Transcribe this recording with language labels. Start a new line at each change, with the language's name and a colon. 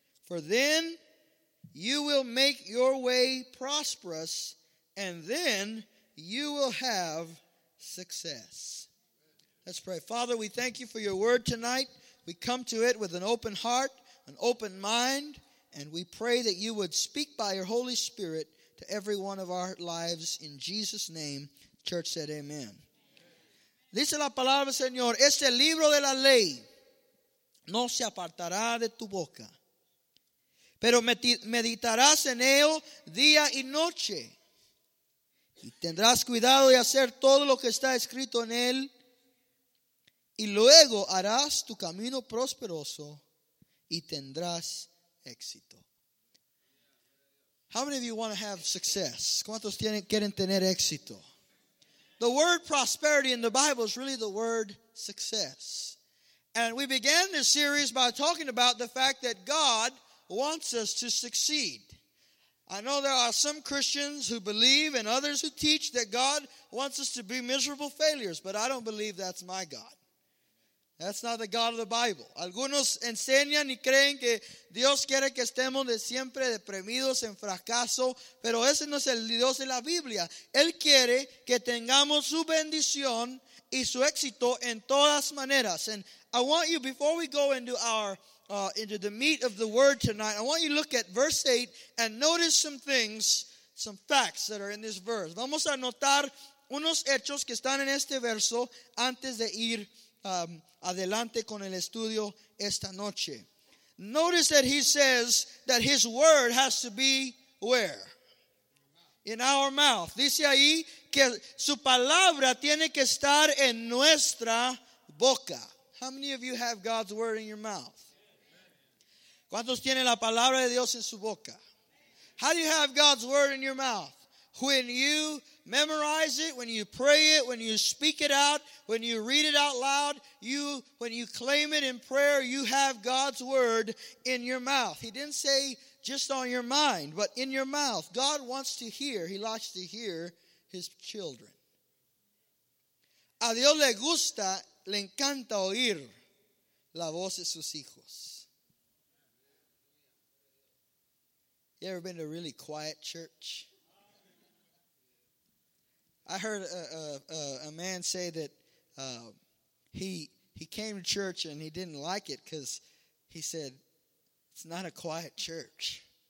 English: For then you will make your way prosperous, and then you will have success." Let's pray. Father, we thank you for your word tonight. We come to it with an open heart, an open mind, and we pray that you would speak by your Holy Spirit to every one of our lives. In Jesus' name, church said amen.
Spanish: Dice la palabra, Señor, este libro de la ley no se apartará de tu boca, pero meditarás en él día y noche, y tendrás cuidado de hacer todo lo que está escrito en él, y luego harás tu camino prosperoso, y tendrás éxito.
English: How many of you want to have success?
Spanish: ¿Cuántos quieren tener éxito?
English: The word prosperity in the Bible is really the word success. And we began this series by talking about the fact that God wants us to succeed. I know there are some Christians who believe and others who teach that God wants us to be miserable failures, but I don't believe that's my God. That's not the God of the Bible.
Spanish: Algunos enseñan y creen que Dios quiere que estemos de siempre deprimidos en fracaso, pero ese no es el Dios de la Biblia. Él quiere que tengamos su bendición y su éxito en todas maneras.
English: And I want you, before we go into into the meat of the word tonight, I want you to look at verse 8 and notice some things, some facts that are in this verse.
Spanish: Vamos a notar unos hechos que están en este verso antes de ir adelante con el estudio esta noche.
English: Notice that he says that his word has to be where? In our mouth.
Spanish: Dice ahí que su palabra tiene que estar en nuestra boca.
English: How many of you have God's word in your mouth?
Spanish: ¿Cuántos tienen la palabra de Dios en su boca?
English: How do you have God's word in your mouth? When you memorize it, when you pray it, when you speak it out, when you read it out loud, when you claim it in prayer, you have God's word in your mouth. He didn't say just on your mind, but in your mouth. God wants to hear. He likes to hear his children.
Spanish: A Dios le gusta, le encanta oír la voz de sus hijos.
English: You ever been to a really quiet church? I heard a man say that he came to church and he didn't like it because he said, it's not a quiet church.